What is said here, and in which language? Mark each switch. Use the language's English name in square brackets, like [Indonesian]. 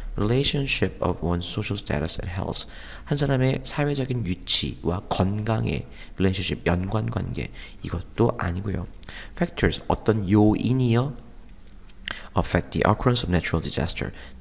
[English] Relationship of one's social status and health. [Korean] 한 사람의 사회적인 위치와 건강의 [English] relationship, [Korean] 연관관계. 이것도 아니고요. [English] Factors, [Korean] 어떤 요인이요? [English] Affect the occurrence of natural disaster.